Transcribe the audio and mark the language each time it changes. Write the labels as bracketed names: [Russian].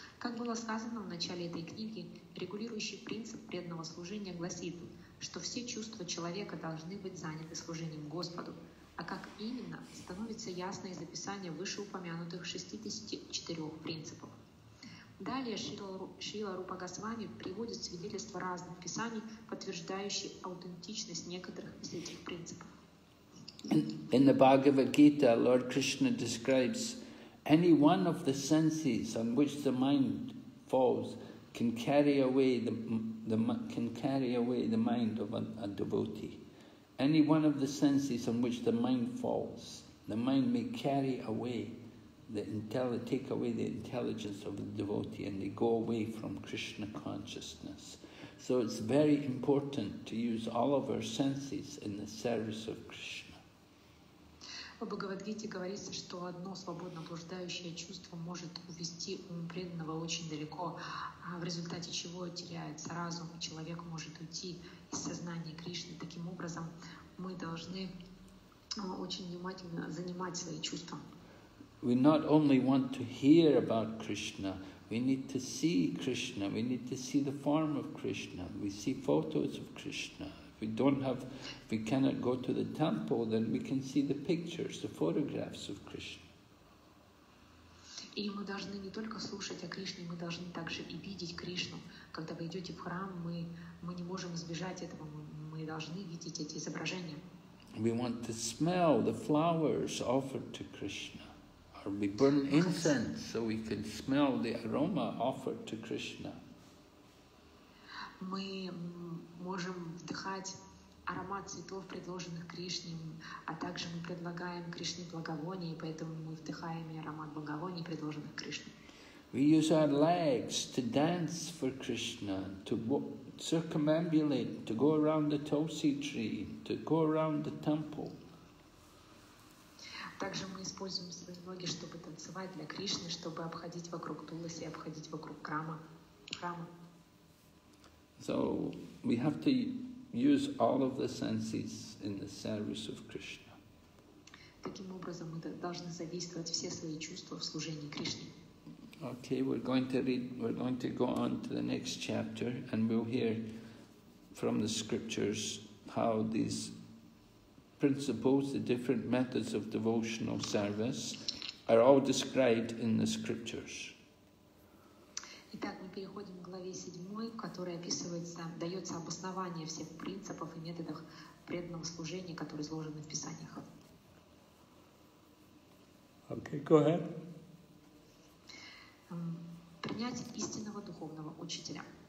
[Russian] Как было сказано в начале этой книги, регулирующий принцип преданного служения гласит, что все чувства человека должны быть заняты служением Господу. А как именно, становится ясно из описания вышеупомянутых 64 принципов. Далее Шрила Рупа Госвами приводит свидетельства разных писаний, подтверждающие аутентичность некоторых из этих принципов. [English] In the Bhagavad Gita, Lord Krishna describes any one of the senses on which the mind falls can carry away the mind of a devotee. Any one of the senses on which the mind falls, the mind may carry away take away the intelligence of a devotee, and they go away from Krishna consciousness. So it's very important to use all of our senses in the service of Krishna. [Russian] В Бхагавад-гите говорится, что одно свободно блуждающее чувство может увести ум преданного очень далеко, в результате чего теряется разум, и человек может уйти из сознания Кришны. Таким образом, мы должны очень внимательно занимать свои чувства. [English] We not only want to hear about Krishna, we need to see Krishna, we need to see the form of Krishna, we see photos of Krishna. If we cannot go to the temple, then we can see the pictures, the photographs of Krishna. [Russian] И мы должны не только слушать о Кришне, мы должны также и видеть Кришну. Когда вы идете в храм, мы не можем избежать этого, мы должны видеть эти изображения. [English] We want to smell the flowers offered to Krishna. Or we burn incense so we can smell the aroma offered to Krishna. [Russian] Мы можем вдыхать аромат цветов, предложенных Кришне, а также мы предлагаем Кришне благовоние, поэтому мы вдыхаем и аромат благовоний, предложенных Кришне. [English] We use our legs to dance for Krishna, to circumambulate, to go around the Tulsi tree, to go around the temple. [Russian] Также мы используем свои ноги, чтобы танцевать для Кришны, чтобы обходить вокруг Туласи, обходить вокруг храма. [English] So we have to use all of the senses in the service of Krishna. [Russian] Таким образом, мы должны задействовать все свои чувства в служении Кришне. [English] Okay, we're going to go on to the next chapter, and we'll hear from the scriptures how these principles, the different methods of devotional service, are all described in the scriptures. [Russian] Итак, мы переходим к главе 7, в которой описывается, дается обоснование всех принципов и методов преданного служения, которые изложены в Писаниях. [English] Okay, go ahead. [Russian] Принять истинного духовного учителя.